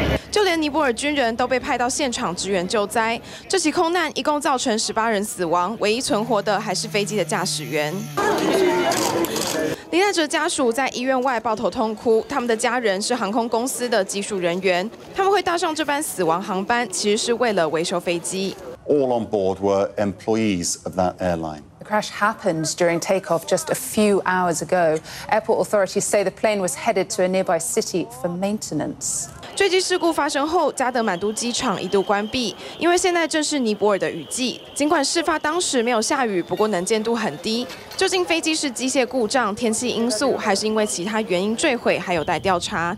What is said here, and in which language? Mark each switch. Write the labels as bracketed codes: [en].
[zh] 就连尼泊尔军人都被派到现场支援救灾。这起空难一共造成18人死亡，唯一存活的还是飞机的驾驶员。罹难者家属在医院外抱头痛哭，他们的家人是航空公司的技术人员，他们会搭上这班死亡航班，其实是为了维修飞机。 [en] All on board were employees of that airline. The crash happened during takeoff just a few hours ago. Airport authorities say the plane was headed to a nearby city for maintenance. [zh] 坠机事故发生后，加德满都机场一度关闭，因为现在正是尼泊尔的雨季。尽管事发当时没有下雨，不过能见度很低。究竟飞机是机械故障、天气因素，还是因为其他原因坠毁，还有待调查。